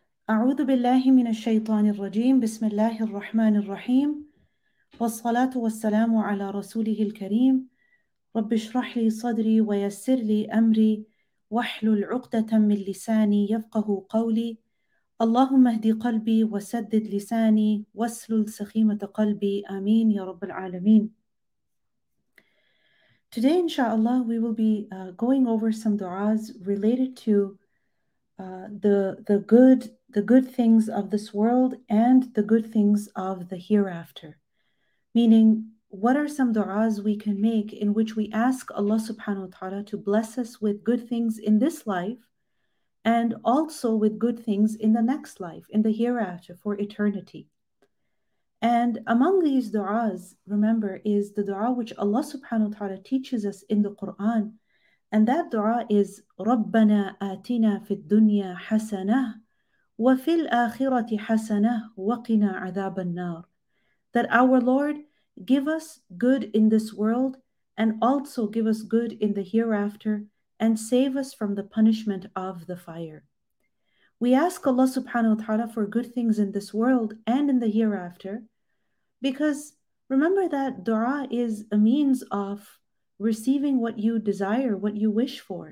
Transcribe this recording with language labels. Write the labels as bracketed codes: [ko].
[ar] أعوذ بالله من الشيطان الرجيم بسم الله الرحمن الرحيم والصلاة والسلام على رسوله الكريم رب اشرح لي صدري ويسر لي أمري واحلل عقدة من لساني يفقه قولي اللهم اهدي قلبي وسدد لساني واسلل سخيمة قلبي آمين يا رب العالمين. [en] Today inshallah we will be going over some du'as related to the good things of this world and the good things of the hereafter. Meaning, what are some du'as we can make in which we ask Allah subhanahu wa ta'ala to bless us with good things in this life and also with good things in the next life, in the hereafter, for eternity. And among these du'as, remember, is the du'a which Allah subhanahu wa ta'ala teaches us in the Qur'an. [ar] And that du'a is, رَبَّنَا آتِنَا فِي الدُّنْيَا حَسَنَةً وَفِي الْآخِرَةِ حَسَنَةً وَقِنَا عَذَابَ النَّارِ. [en] That our Lord, give us good in this world, and also give us good in the hereafter, and save us from the punishment of the fire. We ask Allah subhanahu wa ta'ala for good things in this world and in the hereafter, because remember that du'a is a means of receiving what you desire, what you wish for.